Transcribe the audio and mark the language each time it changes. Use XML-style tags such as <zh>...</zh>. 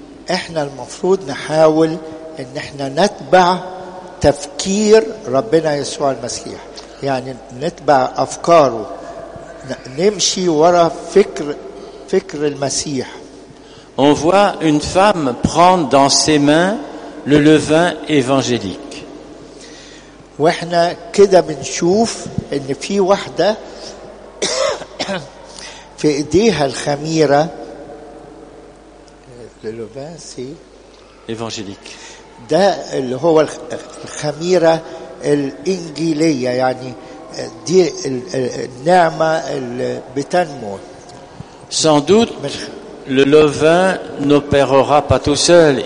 <ar>احنا المفروض نحاول ان احنا نتبع تفكير ربنا يسوع المسيح يعني نتبع افكاره نمشي ورا فكر المسيح.</ar> <fr>On voit une femme prendre dans ses mains le levain évangélique.</fr> <ar>واحنا كده بنشوف ان في واحده في ايديها الخميره</ar> <fr>le levain évangélique</fr> <ar>ده اللي هو الخميرة الإنجيلية يعني دي النعمة اللي بتنمو.</ar> <fr>Sans doute, le levain n'opérera pas tout seul.</fr>